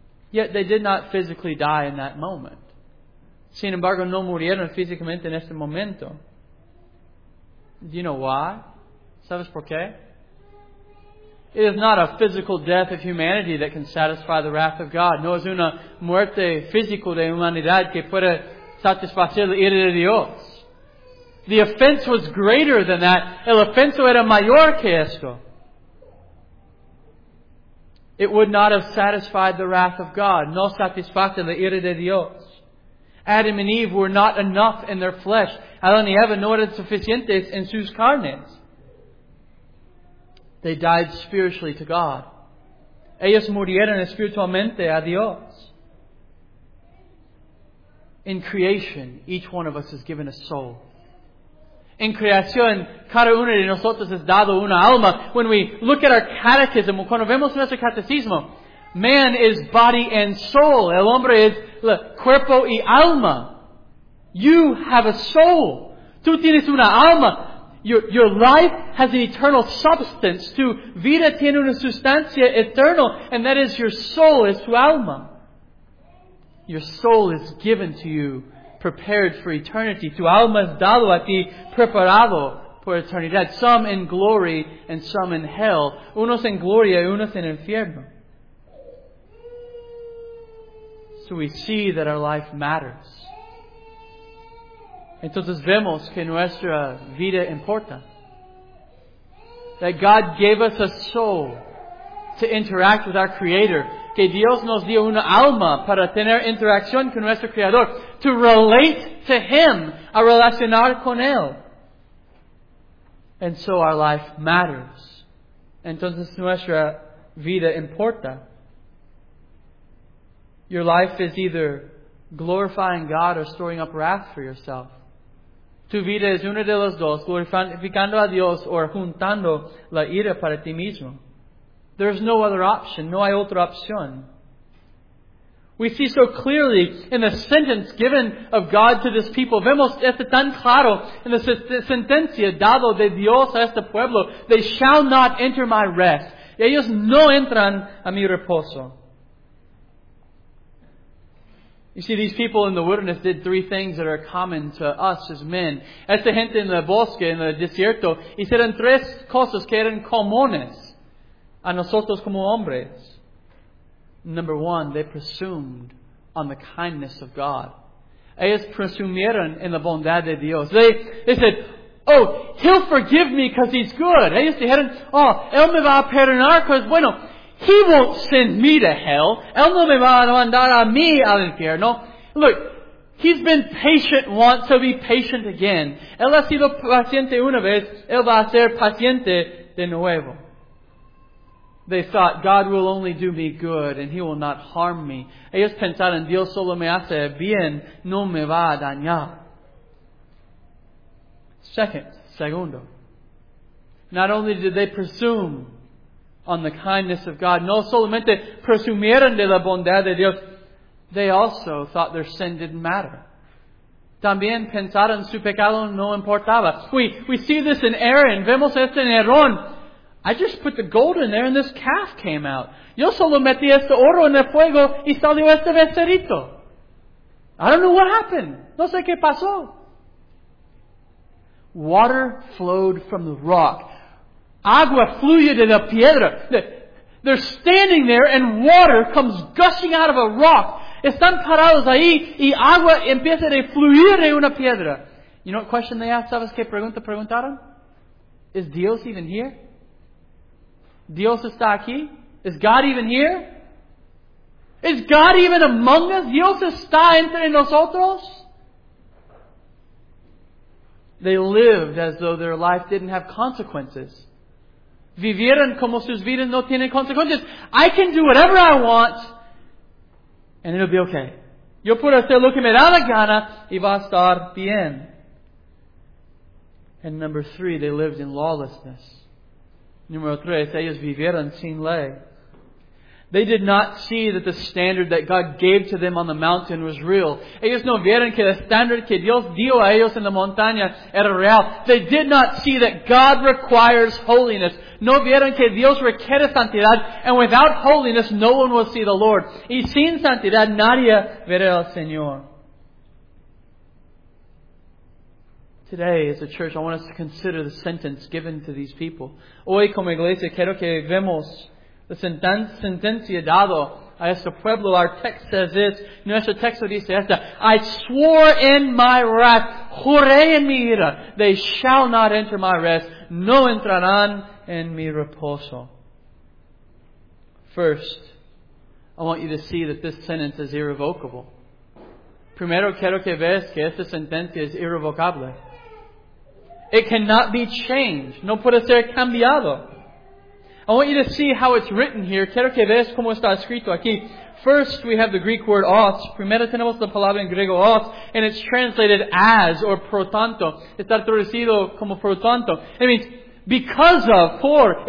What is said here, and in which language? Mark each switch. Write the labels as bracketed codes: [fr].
[en] Yet they did not physically die in that moment. [es] Sin embargo, no murieron físicamente en este momento. [en] Do you know why? [es] ¿Sabes por qué? [en] It is not a physical death of humanity that can satisfy the wrath of God. [es] No es una muerte física de humanidad que pueda satisfacer la ira de Dios. [en] The offense was greater than that. [es] El ofenso era mayor que esto. [en] It would not have satisfied the wrath of God. [es] No satisfacta la ira de Dios. [en] Adam and Eve were not enough in their flesh. [es] Adán y Eva no eran suficientes en sus carnes. [en] They died spiritually to God. [es] Ellos murieron espiritualmente a Dios. [en] In creation, each one of us is given a soul. [es] En creación, cada uno de nosotros es dado una alma. [en] When we look at our catechism, [es] cuando vemos nuestro catecismo, [en] man is body and soul. [es] El hombre es cuerpo y alma. [en] You have a soul. [es] Tú tienes una alma. [en] Your life has an eternal substance. [es] Tu vida tiene una sustancia eterna, [en] and that is your soul, [es] es tu alma. [en] Your soul is given to you, prepared for eternity. [es] Tu alma es dado a ti, preparado por eternidad. [en] Some in glory and some in hell. [es] Unos en gloria y unos en infierno. [en] So we see that our life matters. [es] Entonces vemos que nuestra vida importa. [en] That God gave us a soul to interact with our Creator. [es] Que Dios nos dio una alma para tener interacción con nuestro Creador. [en] To relate to Him, [es] a relacionar con Él. [en] And so our life matters. [es] Entonces nuestra vida importa. [en] Your life is either glorifying God or storing up wrath for yourself. [es] Tu vida es una de las dos, glorificando a Dios o juntando la ira para ti mismo. [en] There's no other option. [es] No hay otra opción. [en] We see so clearly in the sentence given of God to this people. [es] Vemos esto tan claro en la sentencia dado de Dios a este pueblo. [en] They shall not enter my rest. [es] Ellos no entran a mi reposo. [en] You see, these people in the wilderness did three things that are common to us as men. [es] Esta gente en el bosque, en el desierto, hicieron tres cosas que eran comunes a nosotros como hombres. [en] Number one, they presumed on the kindness of God. [es] Ellos presumieron en la bondad de Dios. [en] They said, oh, He'll forgive me because He's good. [es] Ellos dijeron, oh, Él me va a perdonar [en] because, [es] bueno, [en] He won't send me to hell. [es] Él no me va a mandar a mí al infierno. [en] Look, He's been patient once, He'll be patient again. [es] Él ha sido paciente una vez, Él va a ser paciente de nuevo. [en] They thought, God will only do me good and He will not harm me. [es] Ellos pensaron, Dios solo me hace bien, no me va a dañar. Segundo. [en] Not only did they presume on the kindness of God. [es] No solamente presumieron de la bondad de Dios. [en] They also thought their sin didn't matter. [es] También pensaron su pecado no importaba. [en] We see this in Aaron. [es] Vemos esto en Aaron. [en] I just put the gold in there and this calf came out. [es] Yo solo metí este oro en el fuego y salió este becerrito. [en] I don't know what happened. [es] No sé qué pasó. [en] Water flowed from the rock. [es] Agua fluye de la piedra. [en] They're standing there and water comes gushing out of a rock. [es] Están parados ahí y agua empieza a fluir de una piedra. [en] You know what question they asked? [es] ¿Sabes qué pregunta preguntaron? [en] Is Dios even here? [es] ¿Dios está aquí? [en] Is God even here? Is God even among us? [es] ¿Dios está entre nosotros? [en] They lived as though their life didn't have consequences. [es] Vivieron como sus vidas no tienen consecuencias. [en] I can do whatever I want and it'll be okay. [es] Yo puedo hacer lo que me da la gana y va a estar bien. [en] And number three, they lived in lawlessness. [es] Número tres, ellos vivieron sin ley. [en] They did not see that the standard that God gave to them on the mountain was real. [es] Ellos no vieron que el standard que Dios dio a ellos en la montaña era real. [en] They did not see that God requires holiness. [es] No vieron que Dios requiere santidad. [en] And without holiness, no one will see the Lord. [es] Y sin santidad, nadie verá al Señor. [en] Today, as a church, I want us to consider the sentence given to these people. [es] Hoy, como iglesia, quiero que vemos la sentencia dado a este pueblo. [en] Our text says this. [es] Nuestro texto dice esta. [en] I swore in my wrath, [es] juré en mi ira, [en] they shall not enter my rest, [es] no entrarán en mi reposo. [en] First, I want you to see that this sentence is irrevocable. [es] Primero quiero que veas que esta sentencia es irrevocable. [en] It cannot be changed. [es] No puede ser cambiado. [en] I want you to see how it's written here. [es] Quiero que veas cómo está escrito aquí. [en] First, we have the Greek word os. [es] Primero tenemos la palabra en griego os. [en] And it's translated as or [es] pro tanto. Está traducido como pro tanto. [en] It means because of, for.